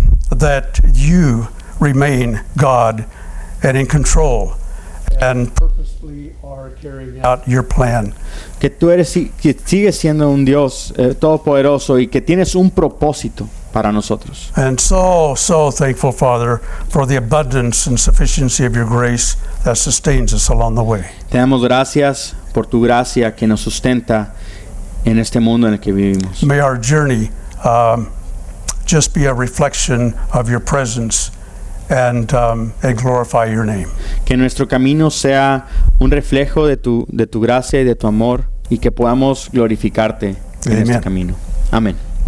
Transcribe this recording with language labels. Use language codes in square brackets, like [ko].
[en] that you remain God and in control and purposely are carrying out your plan. [es] Que tú eres y que sigues siendo un Dios todopoderoso y que tienes un propósito para nosotros. [en] And so thankful, Father, for the abundance and sufficiency of your grace that sustains us along the way. [es] Te damos gracias por tu gracia que nos sustenta en este mundo en el que vivimos. [en] May our journey just be a reflection of your presence and glorify your name. [es] Que nuestro camino sea un reflejo de tu gracia y de tu amor y que podamos glorificarte en este camino. Amén.